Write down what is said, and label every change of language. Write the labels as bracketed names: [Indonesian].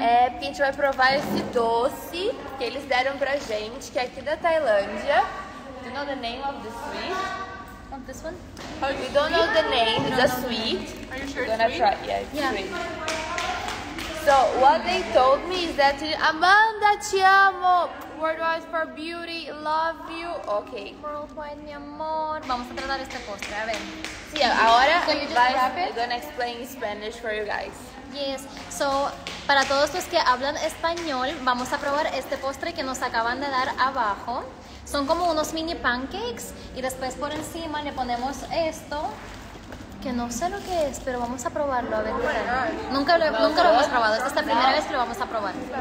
[Portuguese] É, porque a gente vai provar esse doce que eles deram pra gente, que é aqui da Tailândia. [English] Do you know the name of the sweet? Want this one? You don't know the name, it's a sweet. Are you sure it's gonna sweet? Try. Yeah, it's sweet. So, what they told me is that... Amanda, [Portuguese] te amo! [English] Worldwide for beauty, love you. Okay. [Spanish] Worldwide, mi amor. Vamos tratar esta postre, a ver. [English] Yeah, [Spanish] ahora [English] I'm gonna explain Spanish for you guys. Yes, so [Spanish] para todos los que hablan español, vamos a probar este postre que nos acaban de dar abajo. Son como unos mini pancakes y después por encima le ponemos esto, que no sé lo que es, pero vamos a probarlo a ver. Oh, nunca lo hemos probado, esta es la primera vez que lo vamos a probar.